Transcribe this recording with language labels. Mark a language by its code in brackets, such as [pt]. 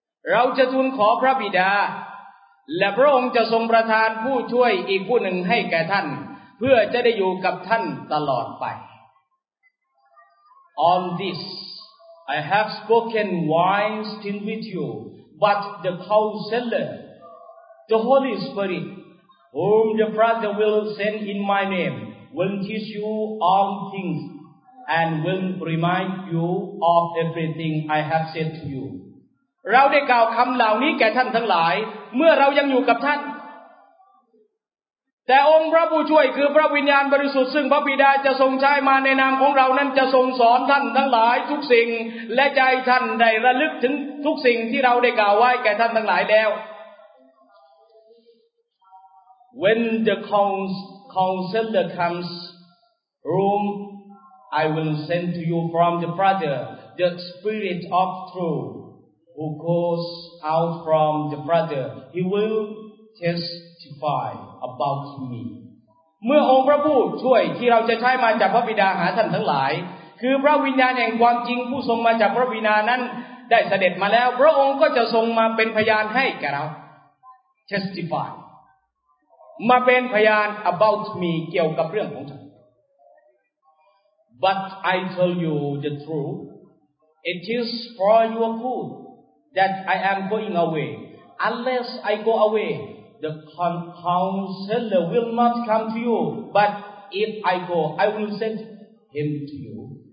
[th] เราจะทูลขอพระบิดาและพระองค์จะทรงประทานผู้ช่วยอีกผู้หนึ่งให้แก่ท่านเพื่อจะได้อยู่กับท่านตลอดไป [en] On this, I have spoken while still with you, but the Counselor, the Holy Spirit, whom the Father will send in my name, will teach you all things. And will remind you of everything I have said to you. [th] เราได้กล่าวคำเหล่านี้แก่ท่านทั้งหลายเมื่อเรายังอยู่กับท่านแต่องค์พระผู้ช่วยคือพระวิญญาณบริสุทธิ์ซึ่งพระบิดาจะทรงใช้มาในนามของเรานั้นจะทรงสอนท่านทั้งหลายทุกสิ่งและใจท่านได้ระลึกถึงทุกสิ่งที่เราได้กล่าวไว้แก่ท่านทั้งหลายแล้ว [en] When the counselor comes, roomI will send to you from the Father the Spirit of truth, who goes out from the Father. He will testify about me. [th] เมื่อองค์พระผู้ช่วยที่เราจะใช้มาจากพระบิดาหาท่านทั้งหลายคือพระวิญญาณแห่งความจริงผู้ทรงมาจากพระวิญญาณนั้นได้เสด็จมาแล้วพระองค์ก็จะทรงมาเป็นพยานให้แก่เรา testify มาเป็นพยาน [en] about me [th] เกี่ยวกับเรื่องของ [en] But I tell you the truth. It is for your good that I am going away. Unless I go away, the counselor will not come to you. But if I go, I will send him to you.